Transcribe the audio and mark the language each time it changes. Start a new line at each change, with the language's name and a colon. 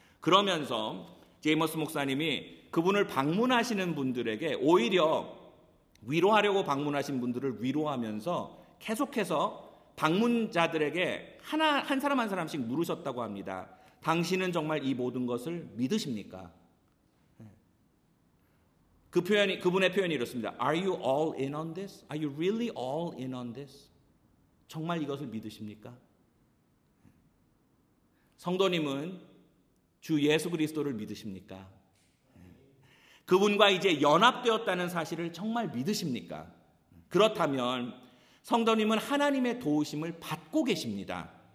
Korean: 그러면서 제이머스 목사님이 그분을 방문하시는 분들에게 오히려 위로하려고 방문하신 분들을 위로하면서 계속해서 방문자들에게 한 사람 한 사람씩 물으셨다고 합니다. 당신은 정말 이 모든 것을 믿으십니까? 그 표현이 그분의 표현이 이렇습니다.
English: Are you all in on this? Are you really all in on this?
Korean: 정말 이것을 믿으십니까? 성도님은 주 예수 그리스도를 믿으십니까? 그분과 이제 연합되었다는 사실을 정말 믿으십니까? 그렇다면 성도님은 하나님의 도우심을 받고 계십니다.